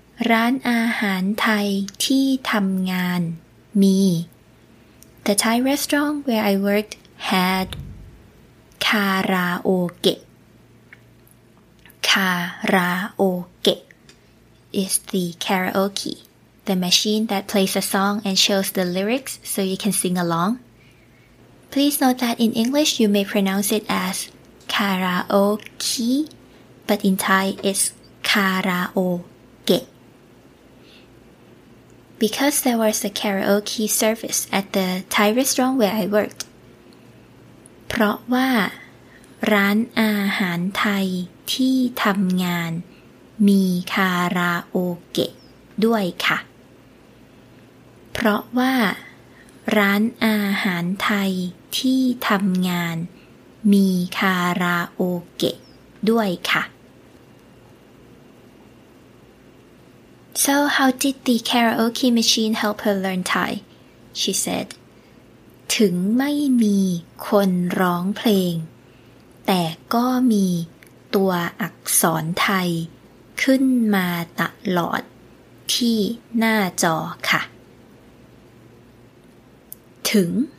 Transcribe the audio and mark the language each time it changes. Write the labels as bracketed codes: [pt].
[th] ร้านอาหารไทยที่ทำงานมี [en] The Thai restaurant where I worked had [th] คาราโอเกะคาราโอเกะ [en] is the karaokeThe machine that plays a song and shows the lyrics so you can sing along. Please note that in English you may pronounce it as karaoke, but in Thai it's karaoke. Because there was a karaoke service at the Thai restaurant where I worked. [th] เพราะว่าร้านอาหารไทยที่ทำงานมีคาราโอเกะด้วยค่ะเพราะว่าร้านอาหารไทยที่ทำงานมีคาราโอเกะด้วยค่ะ [en] So how did the karaoke machine help her learn Thai? She said, [th] ถึงไม่มีคนร้องเพลงแต่ก็มีตัวอักษรไทยขึ้นมาตลอดที่หน้าจอค่ะถึง